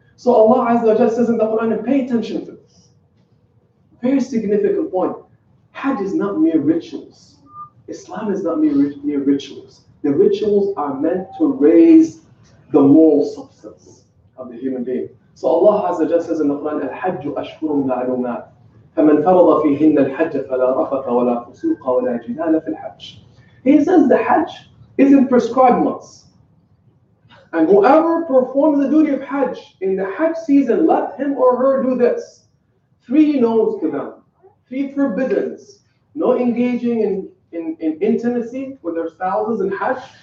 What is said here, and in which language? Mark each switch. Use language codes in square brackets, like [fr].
[en] So Allah Azza wa Jalla says in the Quran, and pay attention to this. Very significant point. Hajj is not mere rituals. Islam is not mere rituals. The rituals are meant to raise the moral substance of the human being. So Allah Azza wa Jalla says in the Quran, [ar] الحج أشهر معلومات فمن فرض فيهن الحج فلا رفث ولا فسوق ولا جدال في الحج. [en] He says the Hajj is in prescribed months. And whoever performs the duty of Hajj in the Hajj season, let him or her do this. Three no's to them. Three forbiddens. No engaging in intimacy with their spouses in Hajj.